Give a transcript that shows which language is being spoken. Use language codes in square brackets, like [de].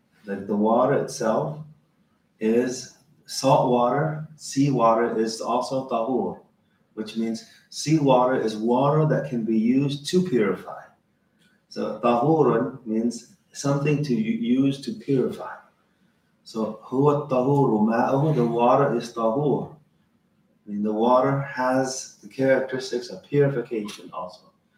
[en] That the water itself is salt water. Sea water is also tahur, which means sea water is water that can be used to purify. So tahurun means something to use to purify. [ar] So هُوَ التَّهُورُ مَاءُهُ. [en] The water is tahur. I mean, the water has the characteristics of purification also.